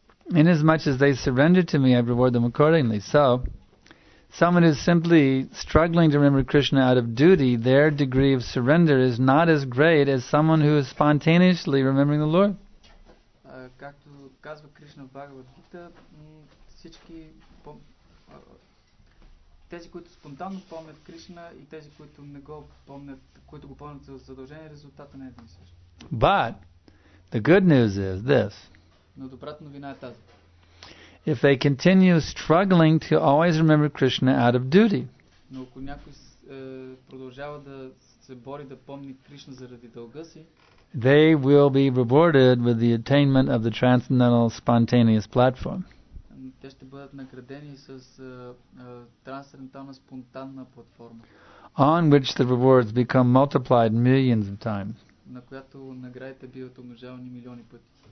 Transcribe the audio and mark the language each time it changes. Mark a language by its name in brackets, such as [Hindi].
[English] Inasmuch as they surrender to me, I reward them accordingly. So, someone who is simply struggling to remember Krishna out of duty, their degree of surrender is not as great as someone who is spontaneously remembering the Lord. [Bulgarian] Както казва Кришна в Бхагавад Гита, всички тези, които спонтанно помнят Кришна и тези, които не го помнят, които го помнят за задължение, резултата не е един и същ. [English] But the good news is this. [Bulgarian] Но добрата новина е тази. [English] If they continue struggling to always remember Krishna out of duty. [Bulgarian] Но ако някой продължава да се бори да помни Кришна заради дълга си, [English] they will be rewarded with the attainment of the transcendental spontaneous platform. [Bulgarian] Те ще бъдат наградени с трансцендентална спонтанна платформа. [English] On which the rewards become multiplied millions of times. [Bulgarian] На която наградите биват умножавани милиони пъти.